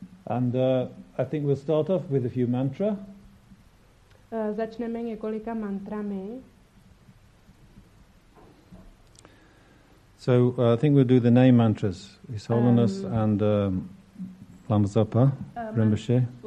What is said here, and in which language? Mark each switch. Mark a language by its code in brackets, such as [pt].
[en] And I think we'll start off with a few mantra. [cs] Začneme několika mantrami. [en] So I think we'll do the name mantras, His Holiness and Lama Zopa, Rinpoche.